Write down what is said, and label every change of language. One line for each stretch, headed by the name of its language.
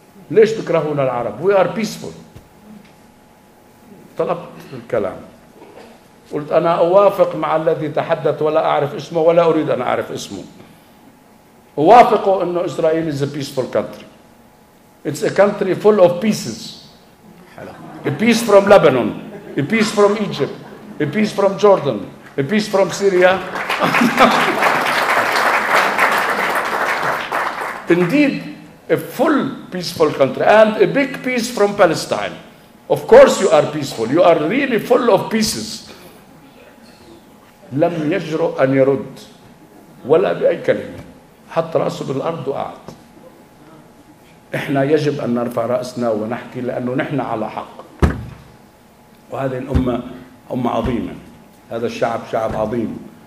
Arabic: ليش تكرهون العرب؟
English: We are peaceful.
Arabic: طلبت الكلام، قلت أنا أوافق مع الذي تحدث ولا أعرف اسمه ولا أريد أن أعرف اسمه، أوافقه أنه إسرائيل
English: is a peaceful country. It's a country full of pieces. A piece from Lebanon, a piece from Egypt, a piece from Jordan, a piece from Syria. Indeed, a full peaceful country and a big piece from Palestine. Of course you are peaceful. You are really full of pieces.
Arabic: لم يجرؤ أن يرد ولا بأي كلمة. حط رأسه بالأرض وقعد. إحنا يجب أن نرفع رأسنا ونحكي لأنه نحن على حق. وهذه الأمة أمة عظيمة. هذا الشعب شعب عظيم.